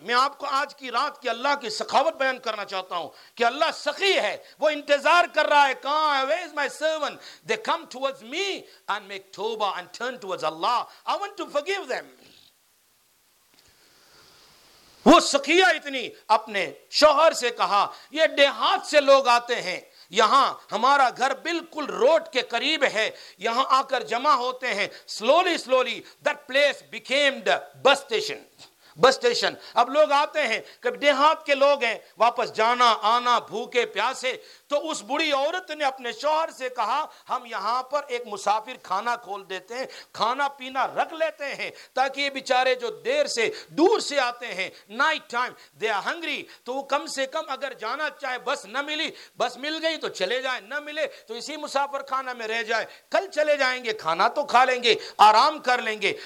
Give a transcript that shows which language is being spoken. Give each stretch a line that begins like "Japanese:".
Urdu: میں آپ کو آج کی رات کی اللہ کی سخاوت بیان کرنا چاہتا ہوں کہ اللہ سخی ہے, وہ انتظار کر رہا ہے کہاں ہے,
English: where is my servant, they come towards me and make توبہ and turn towards Allah, I want to forgive them.
Urdu: وہ سخیہ اتنی اپنے شوہر سے کہا, یہ دیہات سے لوگ آتے ہیں, یہاں ہمارا گھر بالکل روڈ کے قریب ہے, یہاں آ کر جمع ہوتے ہیں.
English: Slowly slowly that place became the bus station.
Urdu: Bus station اب لوگ آتے ہیں, کب دیہات کے لوگ ہیں, واپس جانا آنا بھوکے پیاسے. تو اس بڑی عورت نے اپنے شوہر سے کہا, ہم یہاں پر ایک مسافر خانہ کھول دیتے ہیں, کھانا پینا رکھ لیتے ہیں, تاکہ یہ بیچارے جو دیر سے دور سے آتے ہیں,
English: night time they are hungry,
Urdu: تو وہ کم سے کم اگر جانا چاہے, بس نہ ملی, بس مل گئی تو چلے جائیں, نہ ملے تو اسی مسافر خانہ میں رہ جائے, کل چلے جائیں گے, کھانا تو کھا لیں گے, آرام کر لیں گے.